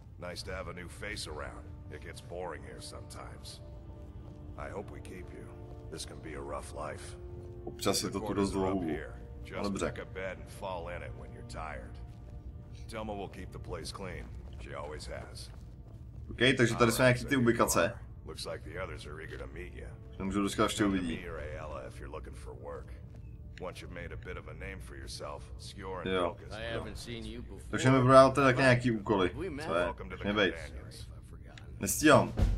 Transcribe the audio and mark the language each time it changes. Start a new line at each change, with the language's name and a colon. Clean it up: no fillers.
English: Nice to have a new face around. It gets boring here sometimes. I hope we keep you. This can be a rough life.
Czech: Občas je to tu dost dlouho. Ale dobře.
English: Take a bed and fall in it when you're tired. Thelma will keep the place clean. She always has.
Czech: OK, takže tady jsou nějaké ty ubikace.
English: Looks like the others are eager to meet you.
Czech: Nemůžu dočkat, až tě uvidí.
English: Ayala, if you're looking for work. Once you've made a bit of a name for yourself, Skjor and Focus. I haven't seen you before.
Czech: Takže mi brál teda nějaký úkoly. Co je? Nebejt. Nestíhám.